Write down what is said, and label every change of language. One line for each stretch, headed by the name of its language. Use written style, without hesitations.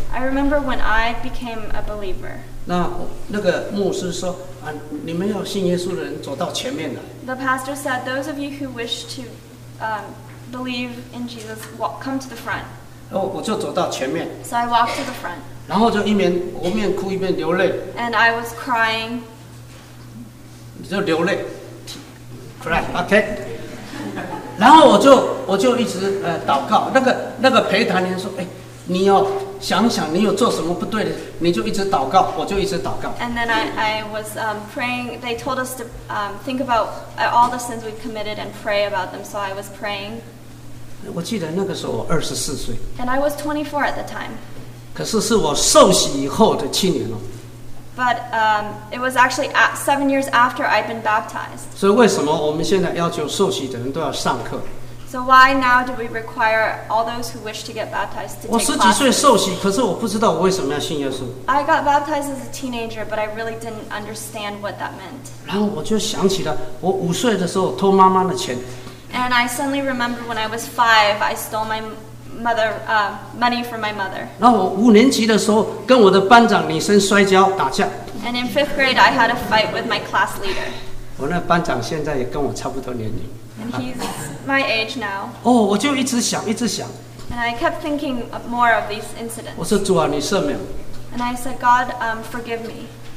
English: I remember when I became a believer.
Chinese: 那个牧师说啊，你们要信耶稣的人走到前面来。
English: The pastor said, those of you who wish to believe in Jesus, walk, come to the front.
Chinese: 我就走到前面。
English: So I walked to the front.
Chinese: 然后就一面我一面哭一面流泪。
English: And I was crying.
Chinese: 就流泪 ，
English: cry, okay.
Chinese: 然后我就一直祷告。那个陪谈人说，哎，你要想想你有做什么不对的，你就一直祷告，我就一直祷告。
English: And then I was praying. They told us to think about all the sins we've committed and pray about them. So I was praying.
Chinese: 我记得那个时候我24岁。
English: And I was 24 at the time.
Chinese: 可是是我受洗以后的七年了。
English: But it was actually seven years after I'd been baptized.
Chinese: 所以为什么我们现在要求受洗的人都要上课？
English: So why now do we require all those who wish to get baptized to take classes?
Chinese: 我十几岁受洗，可是我不知道我为什么要信耶稣。
English: I got baptized as a teenager, but I really didn't understand what that meant.
Chinese: 然后我就想起了我五岁的时候偷妈妈的钱。
English: And I suddenly remembered when I was five, I stole my mother money from my mother.
Chinese: 然后我五年级的时候跟我的班长女生摔跤打架。
English: And in fifth grade, I had a fight with my class leader.
Chinese: 我那班长现在也跟我差不多年龄。
English: And he's my age now.
Chinese: 我就一直想，一直想。
English: And I kept thinking of more of these incidents.
Chinese: 我说主啊，你赦免。
English: And I said, God, forgive me.